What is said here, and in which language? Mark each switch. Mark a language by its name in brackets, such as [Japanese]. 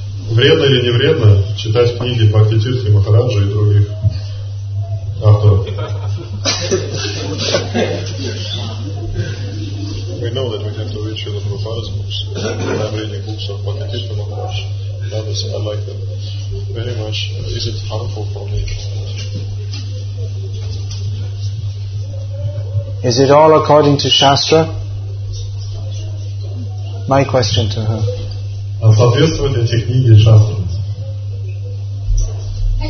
[Russian] Вредно или не вредно читать книги Бхакти Тиртхи Махараджи и других авторов? [English] We know that we have to read Srila Prabhupada's books. I'm reading books of Bhakti Tirtha Maharaj. I like them very much. Is it harmful for me? Is it all according to Shastra? My question to her. [Russian] Соответствуют эти книги Шастрам? Они мне очень нравятся, и потом я их